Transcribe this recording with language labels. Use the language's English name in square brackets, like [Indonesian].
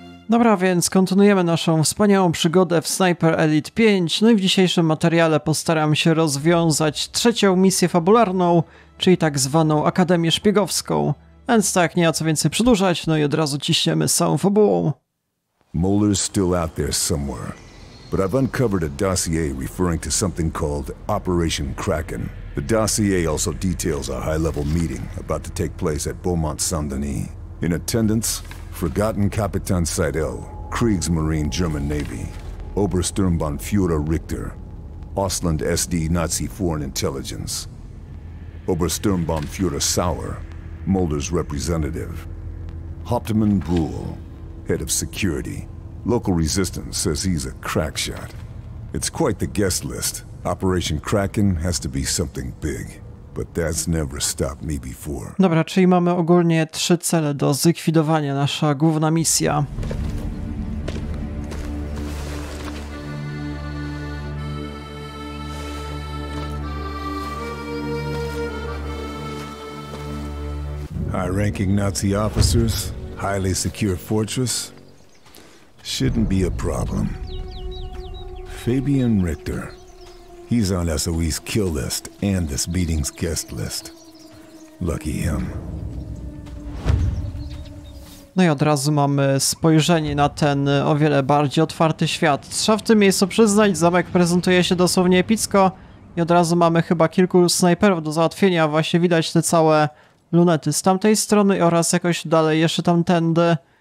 [Polish] Dobra, więc kontynuujemy naszą wspaniałą przygodę w Sniper Elite 5. No i w dzisiejszym materiale postaram się rozwiązać trzecią misję fabularną, czyli tak zwaną Akademię Szpiegowską. Więc tak, nie ma co więcej przedłużać, no i od razu ciśniemy z całą fabułą. [English] Muller's still out there somewhere, but I've uncovered a dossier referring to something called Operation Kraken. The dossier also details a high-level meeting about to take place at Beaumont Saint-Denis. In attendance, Forgotten Captain Seidel, Kriegsmarine German Navy, Obersturmbannführer Richter, Ostland SD Nazi Foreign Intelligence, Obersturmbannführer Sauer, Mulder's representative, Hauptmann Bruhl, head of security. Local resistance says he's a crack shot. It's quite the guest list. Operation Kraken has to be something big. But that's never stopped me before. [Polish] Dobra, czyli mamy ogólnie trzy cele do zlikwidowania, nasza główna misja. [English] High-ranking Nazi officers, highly secure fortress. Shouldn't be a problem. Fabian Richter. He's on SOE's kill list and this meeting's guest list. Lucky him. [Polish] No i od razu mamy spojrzenie na ten o wiele bardziej otwarty świat. Trzeba w tym miejscu przyznać, zamek prezentuje się dosłownie epicko i od razu mamy chyba kilku snajperów do załatwienia. Właśnie widać te całe lunety z tamtej strony oraz jakoś dalej jeszcze tamtędy.